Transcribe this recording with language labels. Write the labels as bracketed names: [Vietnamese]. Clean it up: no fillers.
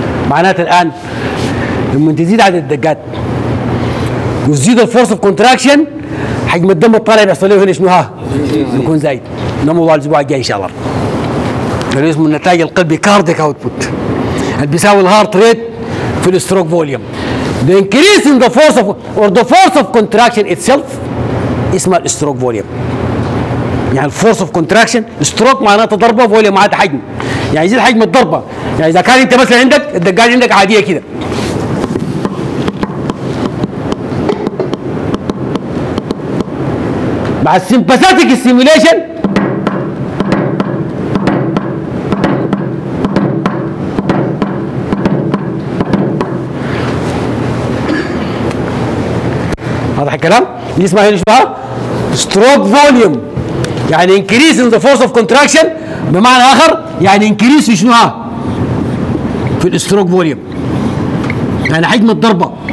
[Arabic] معناته الان لما تزيد عدد الدقات وتزيد الفورس اوف كونتراكشن حجم الدم الطالع بيحصل له هنا شنوها؟ بيكون زايد. نموضوع الاسبوع الجاي ان شاء الله. اللي اسمه النتائج القلبي كارديك اوتبوت. اللي بيساوي الهارت ريت في الستروك فوليوم. [English] The increase in the force of or the force of contraction itself [Arabic] اسمها الستروك فوليوم. يعني الفورس اوف كونتراكشن ستروك معناته ضربه فوليوم معناته حجم. يعني يزيد حجم الضربه. يعني اذا كان انت مثلا عندك الدقات عندك عاديه كده. مع السيمباثيتك ستيميوليشن هذا الكلام اللي اسمها هنا شبهها ستروك فوليوم يعني [English] increase in the force of contraction [Arabic] بمعنى اخر يعني انكريس شنوها في الستروك فوليوم يعني حجم الضربه.